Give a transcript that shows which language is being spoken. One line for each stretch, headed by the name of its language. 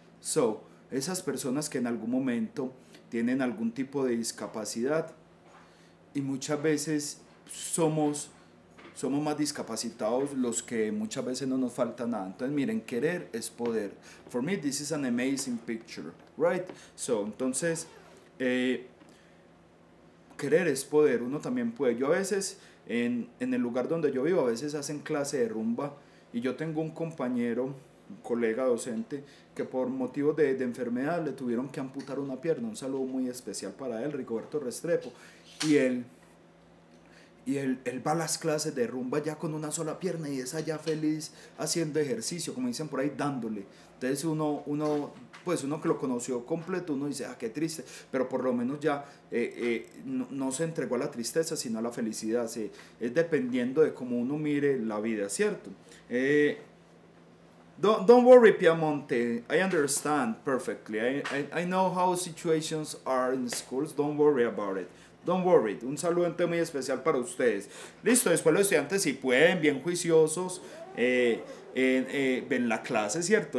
Spanish: So, esas personas que en algún momento tienen algún tipo de discapacidad y muchas veces somos más discapacitados los que muchas veces no nos falta nada. Entonces, miren, querer es poder.
English: For me, this is an amazing picture, right?
Spanish: So, entonces, querer es poder. Uno también puede. Yo a veces, en el lugar donde yo vivo, a veces hacen clase de rumba. Y yo tengo un compañero, un colega docente, que por motivo de enfermedad le tuvieron que amputar una pierna. Un saludo muy especial para él, Rigoberto Restrepo. Y él va a las clases de rumba ya con una sola pierna y es allá feliz haciendo ejercicio, como dicen por ahí, dándole. Entonces uno que lo conoció completo, uno dice, ah, qué triste, pero por lo menos ya no se entregó a la tristeza, sino a la felicidad. Sí, es dependiendo de cómo uno mire la vida, ¿cierto?
English: Don't worry, Piamonte, I understand perfectly. I know how situations are in schools, don't worry about it. Don't worry,
Spanish: un saludo entero muy especial para ustedes. Listo, después los estudiantes, si pueden, bien juiciosos, ven la clase, ¿cierto?